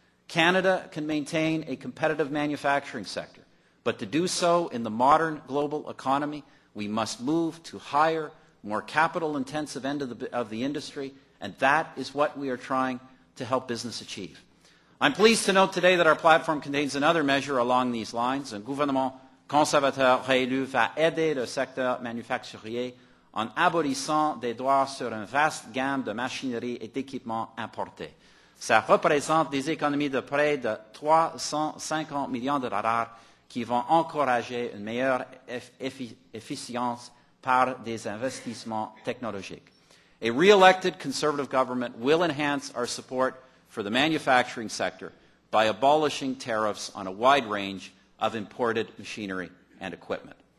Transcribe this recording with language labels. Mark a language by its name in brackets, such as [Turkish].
[English] Canada can maintain a competitive manufacturing sector, but to do so in the modern global economy, we must move to higher, more capital-intensive end of the industry, and that is what we are trying to help business achieve. I'm pleased to note today that our platform contains another measure along these lines. [French] Un gouvernement conservateur réélu va aider le secteur manufacturier en abolissant des droits sur une vaste gamme de machinerie et d'équipements importés. Ça représente des économies de près de 350 millions de dollars qui vont encourager une meilleure efficience par des investissements technologiques. [English] A re-elected conservative government will enhance our support for the manufacturing sector by abolishing tariffs on a wide range of imported machinery and equipment.